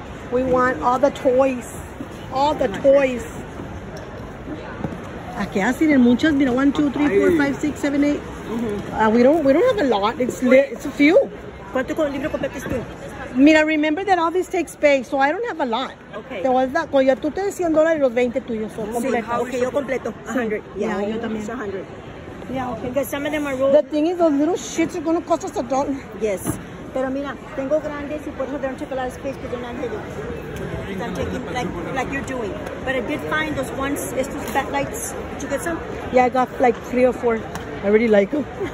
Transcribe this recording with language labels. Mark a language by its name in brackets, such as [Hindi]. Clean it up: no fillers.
[English] We want all the toys. All the toys. [Spanish] Aquí así tienen muchas. Mira, 1, 2, 3, 4, 5, 6, 7, 8. [English] We don't have a lot. It's a few. [Spanish] ¿Cuánto libro completas tú? [English] Mira, remember that all this takes space, so I don't have a lot. Okay. [Spanish] Te voy a dar, cuando ya tú te des $100, los 20 tuyos son completos. Sí, okay, yo completo. 100. Sí. Yeah, no, yo también. 100. [English] Yeah, okay. Because some of them are real. The thing is, those little shits are going to cost us a dollar. Yes. [Spanish] Pero mira, tengo grandes y por eso [English] don't take a lot of space because they're not heavy. I'm taking, like you're doing. But I did find those ones, estos backlights. Did you get some? Yeah, I got like 3 or 4. I really like them.